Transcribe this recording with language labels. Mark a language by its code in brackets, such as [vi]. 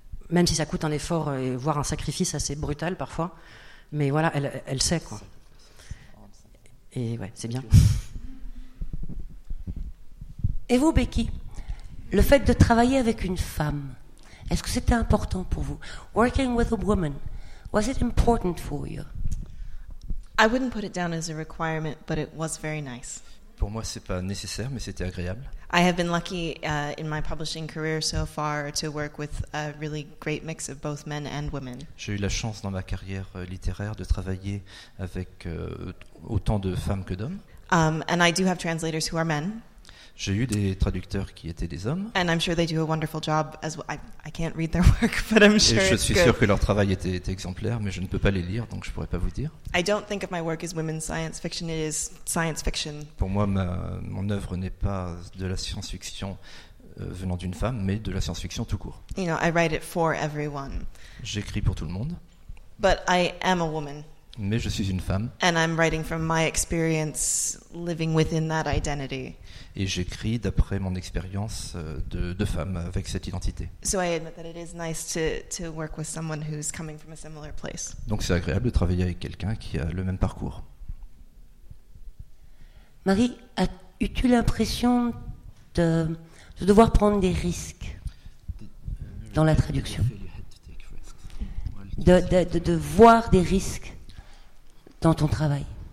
[fr] Même si ça coûte un effort et voire un sacrifice assez brutal parfois, mais voilà, elle sait quoi. Et ouais, c'est bien. Et vous, Becky, le fait de travailler avec une femme, est-ce que c'était important pour vous? [en] Working with a woman, was it important for you? I wouldn't put it down as a requirement, but it was very nice. [fr] Pour moi, c'est pas nécessaire, mais c'était agréable. [en] I have been lucky in my publishing career so far to work with a really great mix of both men and women. [fr] J'ai eu la chance dans ma carrière littéraire de travailler avec autant de femmes que d'hommes. [en] And I do have translators who are men. [fr] J'ai eu des traducteurs qui étaient des hommes. [en] And I'm sure they do a wonderful job as well. I can't read their work, but I'm sure. [fr] Et je suis [en] good. [fr] Sûr que leur travail était exemplaire, mais je ne peux pas les lire, donc je pourrais pas vous dire. [en] I don't think of my work as women's science fiction. It is science fiction. [fr] Pour moi, mon œuvre n'est pas de la science-fiction venant d'une femme, mais de la science-fiction tout court. [en] You know, I write it for everyone. [fr] J'écris pour tout le monde. [en] But I am a woman. [fr] Mais je suis une femme. [en] And I'm writing from my experience living within that identity. [fr] Et j'écris d'après mon expérience de femme avec cette identité. [en] So I admit that it is nice to work with someone who's coming from a similar place. [fr] Donc c'est agréable de travailler avec quelqu'un qui a le même parcours. Marie, as-tu l'impression de devoir prendre des risques dans la traduction? De voir des risques dans ton travail?